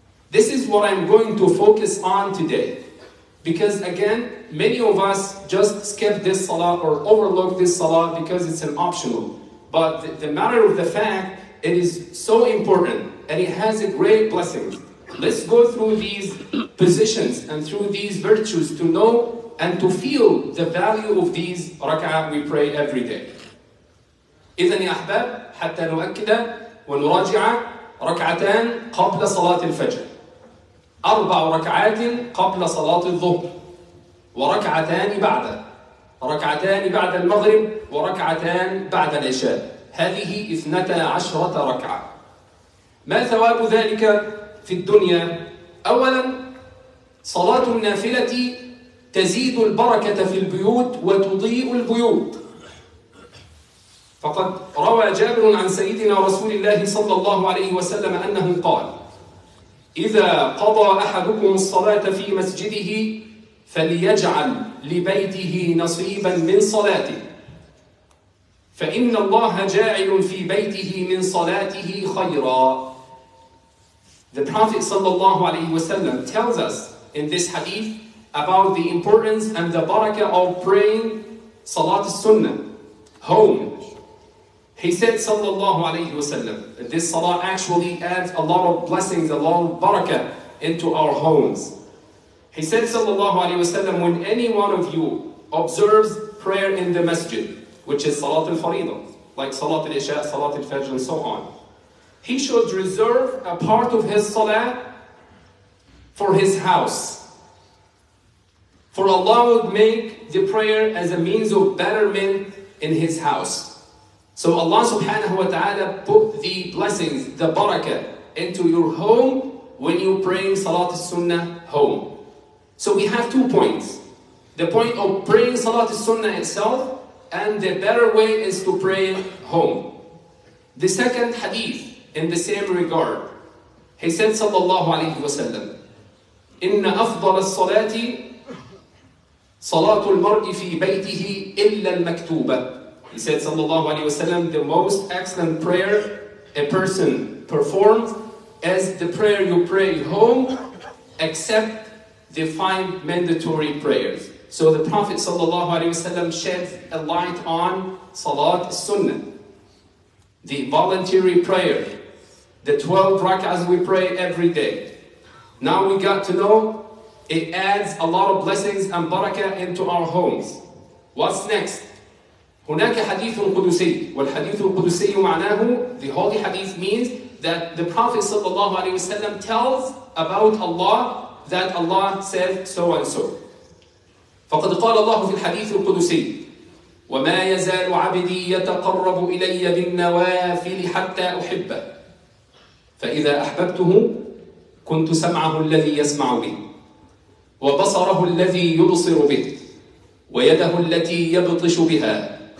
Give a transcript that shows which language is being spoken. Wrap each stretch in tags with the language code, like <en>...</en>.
<en>This is what I'm going to focus on today. Because again, many of us just skip this Salah or overlook this Salah because it's an optional. But the matter of the fact, it is so important and it has a great blessing. Let's go through these positions and through these virtues to know and to feel the value of these rak'ah we pray every day.</en> <ar>إذن يا أحباب حتى نؤكد ونراجع ركعتان قبل صلاة الفجر. 4 ركعات قبل صلاة الظهر وركعتان بعد, ركعتان بعد المغرب وركعتان بعد العشاء, هذه 12 ركعة. ما ثواب ذلك في الدنيا؟ أولا, صلاة النافلة تزيد البركة في البيوت وتضيء البيوت. فقد روى جابر عن سيدنا رسول الله صلى الله عليه وسلم أنه قال: إذا قضى أحدكم الصلاة في مسجده فليجعل لبيته نصيبا من صلاته, فإن الله جاعل في بيته من صلاته خيرا.</ar> <en>The Prophet صلى الله عليه وسلم tells us in this hadith about the importance and the barakah of praying صلاة السنة home. He said sallallahu alayhi wa sallam, this salah actually adds a lot of blessings, a lot of barakah into our homes. He said sallallahu alayhi wa sallam, when any one of you observes prayer in the masjid, which is salat al-fariḍa, like salat al-isha, salat al-fajr, and so on, he should reserve a part of his salah for his house. For Allah would make the prayer as a means of betterment in his house. So Allah subhanahu wa ta'ala put the blessings, the barakah, into your home when you pray Salat al-Sunnah home. So we have 2 points. The point of praying Salat al-Sunnah itself, and the better way is to pray home. The second hadith in the same regard. He said sallallahu alayhi wa sallam,</en> <ar>إِنَّ أَفْضَلَ الصَّلَاةِ صَلَاةُ الْمَرْءِ فِي بَيْتِهِ إِلَّا الْمَكْتُوبَةِ.</ar> <en>He said sallallahu alayhi wa sallam, the most excellent prayer a person performs is the prayer you pray home, except the 5 mandatory prayers. So the Prophet sallallahu alayhi wa sallam sheds a light on Salat Sunnah, the voluntary prayer, the 12 rak'ahs we pray every day. Now we got to know it adds a lot of blessings and barakah into our homes. What's next?</en> <ar>هناك حديث قدسي, والحديث القدسي معناه,</ar> <en>the holy hadith means that the Prophet صلى الله عليه وسلم tells about Allah that Allah said so and so.</en> <ar>فقد قال الله في الحديث القدسي: وما يزال عبدي يتقرب إلي بالنوافل حتى أحبه, فإذا أحببته كنت سمعه الذي يسمع به, وبصره الذي يبصر به, ويده التي يبطش بها,</ar>